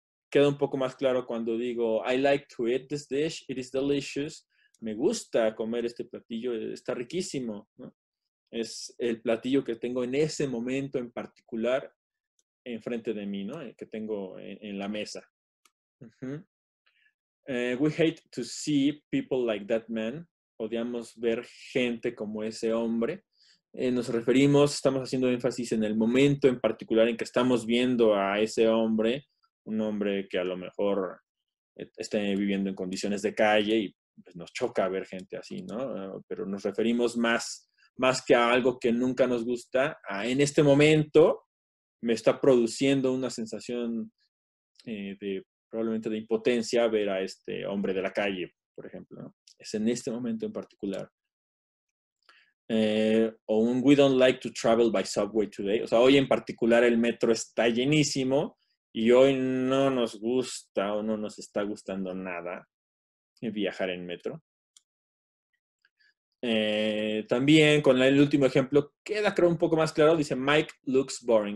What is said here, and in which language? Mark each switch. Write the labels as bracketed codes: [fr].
[es] Queda un poco más claro cuando digo [en] I like to eat this dish. It is delicious. [es] Me gusta comer este platillo. Está riquísimo, ¿no? Es el platillo que tengo en ese momento en particular enfrente de mí, ¿no? El que tengo en la mesa. [en] We hate to see people like that man. [es] Odiamos ver gente como ese hombre. Nos referimos, estamos haciendo énfasis en el momento en particular en que estamos viendo a ese hombre, un hombre que a lo mejor esté viviendo en condiciones de calle y pues, nos choca ver gente así, ¿no? Pero nos referimos más que a algo que nunca nos gusta, a en este momento me está produciendo una sensación de probablemente de impotencia ver a este hombre de la calle, por ejemplo, ¿no? Es en este momento en particular. [en] We don't like to travel by subway today. [es] O sea, hoy en particular el metro está llenísimo y hoy no nos gusta o no nos está gustando nada viajar en metro. También con el último ejemplo queda creo un poco más claro. Dice [en] Mike looks boring.